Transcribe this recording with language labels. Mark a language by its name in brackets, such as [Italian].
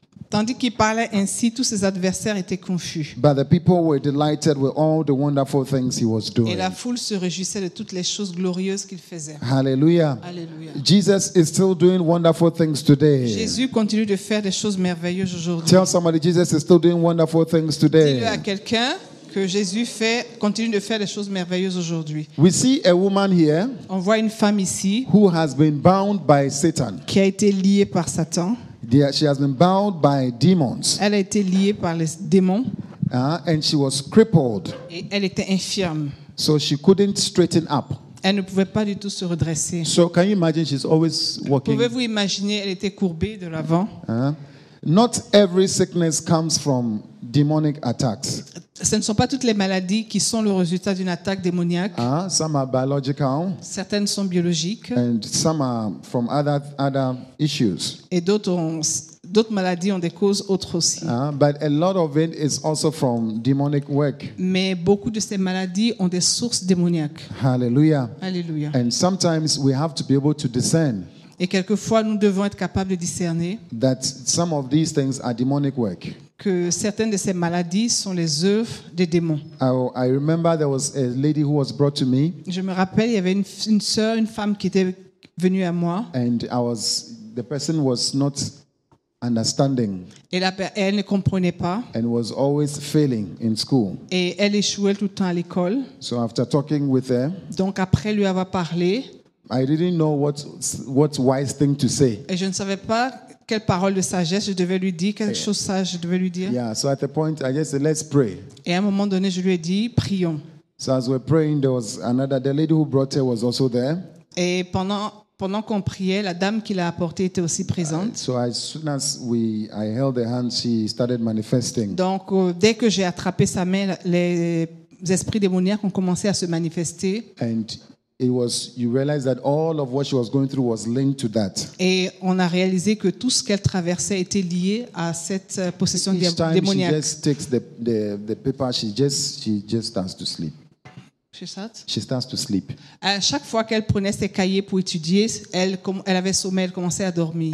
[French] Tandis qu'il parlait ainsi, tous ses adversaires étaient confus. [English] But the people were delighted with all the wonderful things he was doing. [French] Et la foule se réjouissait de toutes les choses glorieuses qu'il faisait. [English] Hallelujah. [French] Hallelujah. [English] Jesus is still doing wonderful things today. [French] Jésus continue de faire des choses merveilleuses aujourd'hui. [English] Tell somebody Jesus is still doing wonderful things today. [French] Dis-le à quelqu'un que Jésus fait continue de faire des choses merveilleuses aujourd'hui. [English] We see a woman here. [French] On voit une femme ici. [English] Who has been bound by Satan. [French] Qui a été liée par Satan. [English] She has been bound by demons. [French] Elle a été liée par les démons. [English] And she was crippled. [French] Et elle était infirme. [English] So she couldn't straighten up. [French] Elle ne pouvait pas du tout se redresser. [English] So can you imagine she's always walking? [French] Pouvez-vous imaginer, elle était courbée de l'avant. [English] Not every sickness comes from demonic attacks. [French] Ce ne sont pas toutes les maladies qui sont le résultat d'une attaque démoniaque. [English] Some are biological. [French] Certaines sont biologiques. [English] And some are from other issues. [French] Et d'autres maladies ont des causes autres aussi. [English] But a lot of it is also from demonic work. [French] Mais beaucoup de ces maladies ont des sources démoniaques. [English] Hallelujah. [French] Hallelujah. [English] And sometimes we have to be able to discern. [French] Et quelquefois, nous devons être capables de discerner [English] that some of these things are demonic work. [French] Que certaines de ces maladies sont les œuvres des démons. [English] I remember there was a lady who was brought to me. [French] Je me rappelle, il y avait une sœur, une femme qui était venue à moi. [English] And the person was not understanding. [French] Et elle ne comprenait pas. [English] And was always failing in school. [French] Et elle échouait tout le temps à l'école. [English] So after talking with her, [French] donc après lui avoir parlé, [English] I didn't know what wise thing to say. [French] Et je ne savais pas quelle parole de sagesse je devais lui dire, quelque chose sage je devais lui dire. [English] Yeah, so at the point I just said let's pray. [French] Et à un moment donné je lui ai dit prions. [English] So as we're praying there was another, the lady who brought her was also there. [French] Et pendant qu'on priait, la dame qui l'a apportée était aussi présente. [English] So as soon as I held her hand, she started manifesting. [French] Donc dès que j'ai attrapé sa main, les esprits démoniaques ont commencé à se manifester. [English] And it was, you realize that all of what she was going through was linked to that. [French] Et on a réalisé que tout ce qu'elle traversait était lié à cette possession démoniaque. [English] She just takes the paper, she just starts to sleep. She starts to sleep. [French] À chaque fois qu'elle prenait ses cahiers pour étudier, elle avait sommeil, elle commençait à dormir.